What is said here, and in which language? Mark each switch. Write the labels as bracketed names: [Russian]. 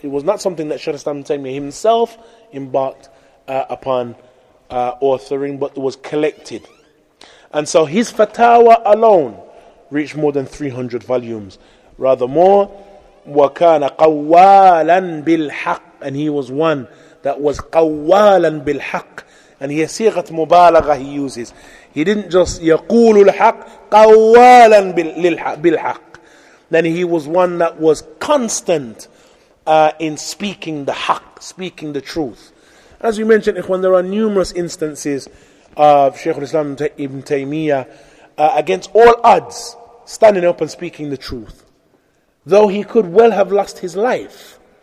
[English] It was not something that Shaykh al-Islam Taymiyyah himself embarked upon authoring, but was collected. And so his fatawa alone reached more than 300 volumes. Rather more, [Arabic] وَكَانَ قَوَّالًا بِالْحَقِّ, [English] and he was one that was [Arabic] قَوَّالًا بِالْحَقِّ. [English] And he has sighat mubalagha he uses. He didn't just [Arabic] يَقُولُ الْحَقِّ قَوَّالًا بِالْحَقِّ. [English] Then he was one that was constant in speaking the haq, speaking the truth. As we mentioned, ikhwan, there are numerous instances of Shaykh al-Islam Ibn Taymiyyah against all odds standing up and speaking the truth, though he could well have lost his life,